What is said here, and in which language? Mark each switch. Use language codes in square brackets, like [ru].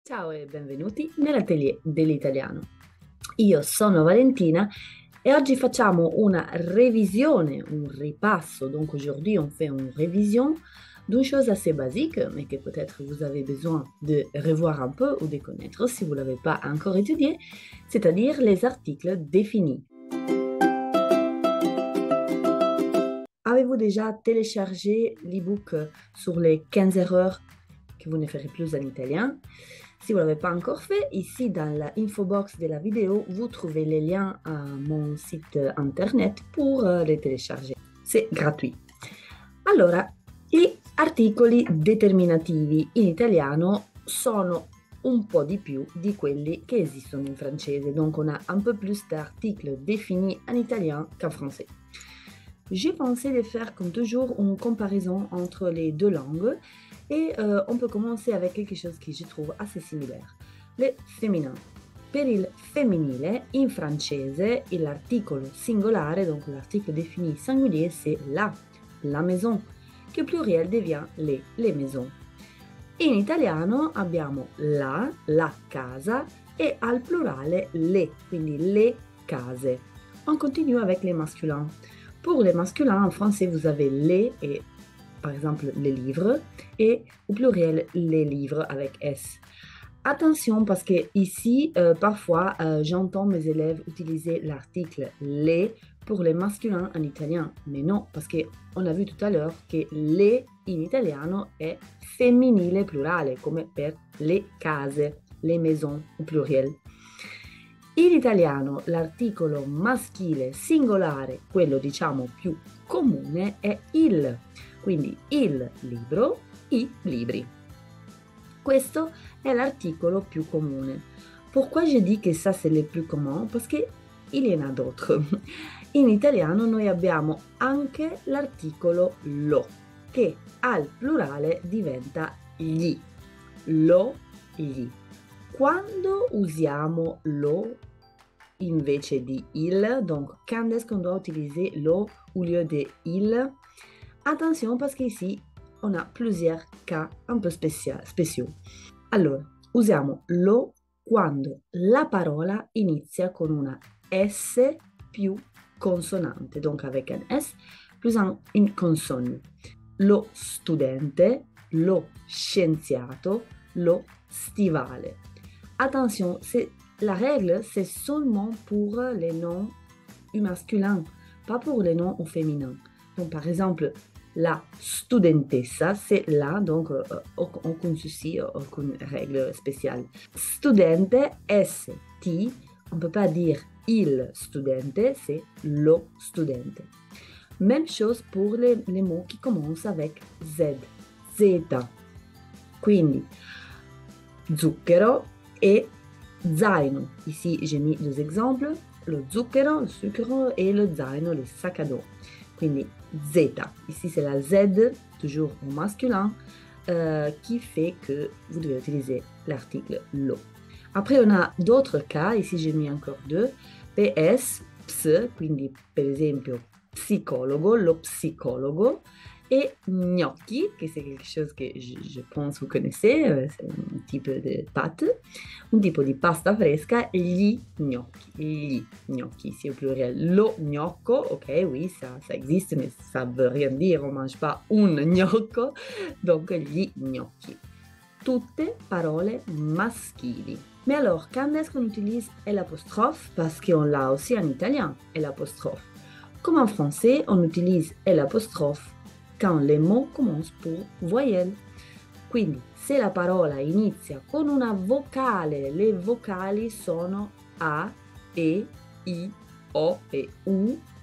[it] Ciao e benvenuti nell'atelier dell'italiano. Io sono Valentina e oggi facciamo una revisione, un ripasso. [fr] Donc aujourd'hui on fait une révision d'une chose assez basique, mais que peut-être vous avez besoin de revoir un peu ou de connaître si vous ne l'avez pas encore étudié, c'est-à-dire les articles définis. Avez-vous déjà téléchargé l'e-book sur les 15 erreurs que vous ne ferez plus en italien? Si vous ne l'avez pas encore fait, ici dans la info box de la vidéo, vous trouvez les liens à mon site internet pour les télécharger. C'est gratuit. [it] Allora, gli articoli determinativi in italiano sono un po' di più di quelli che esistono in francese. [fr] Donc on a un peu plus d'articles définis en italien qu'en français. J'ai pensé de faire comme toujours une comparaison entre les deux langues. Et on peut commencer avec quelque chose que je trouve assez similaire. Le féminin. [it] Per il femminile, in francese, l'articolo singolare, [fr] donc l'articolo défini singulier, c'est la, la maison, che pluriel devient les maisons. [it] In italiano abbiamo la, la casa, e al plurale le, quindi le case. [fr] On continue avec les masculins. Pour les masculins, en français, vous avez les et par exemple les livres, et au pluriel les livres avec S. Attention parce que ici, parfois, j'entends mes élèves utiliser l'article les pour les masculins en italien. Mais non, parce qu'on a vu tout à l'heure que les [it] in italiano [fr] est [it] femminile plurale, [fr] comme per les case, les maisons au pluriel. [it] In italiano l'articolo maschile singolare, quello diciamo più comune, è il. Quindi il libro, i libri. Questo è l'articolo più comune. [fr] Pourquoi je dis que ça c'est le plus commun? Parce que il y en a d'autres. [it] In italiano noi abbiamo anche l'articolo lo, che al plurale diventa gli. Lo, gli. Quando usiamo lo invece di il? [fr] Donc, quand est-ce qu'on doit utiliser lo au lieu de il? Attention parce qu'ici on a plusieurs cas un peu spéciaux. [it] Allora, usiamo lo quando la parola inizia con una S più consonante, [fr] donc avec un S plus une consonne. [it] Lo studente, lo scienziato, lo stivale. [fr] Attention, la règle c'est seulement pour les noms masculins, pas pour les noms féminins. Donc, par exemple, la studentessa, c'est la, donc aucun souci, aucune règle spéciale. Studente, S-T, on ne peut pas dire il studente, c'est lo studente. Même chose pour les mots qui commencent avec Z, Zeta. [it] Quindi, zucchero et zaino. [fr] Ici, j'ai mis deux exemples, le zucchero, le sucre, et le zaino, le sac à dos. [it] Quindi Z. [fr] Ici, c'est la Z, toujours au masculin, qui fait que vous devez utiliser l'article lo. Après, on a d'autres cas. Ici, j'ai mis encore deux. [it] PS, PS, quindi per esempio, psicologo, lo psicologo. [fr] Et gnocchi, que c'est quelque chose que je pense vous connaissez. C'est un type de pâte, un type de [it] pasta fresca. [fr] Gli gnocchi. Gli gnocchi, c'est au pluriel. Lo gnocco, ok, oui, ça existe, mais ça veut rien dire. On mange pas un gnocco. Donc, gli gnocchi. [it] Tutte parole maschili. [fr] Mais alors, quand est-ce qu'on utilise l'apostrophe? Parce qu'on l'a aussi en italien, l'apostrophe. Comme en français, on utilise l'apostrophe quand les mots commencent pour voyelle. [it] Quindi, se la parola inizia con una vocale, le vocali sono A, E, I, O e U.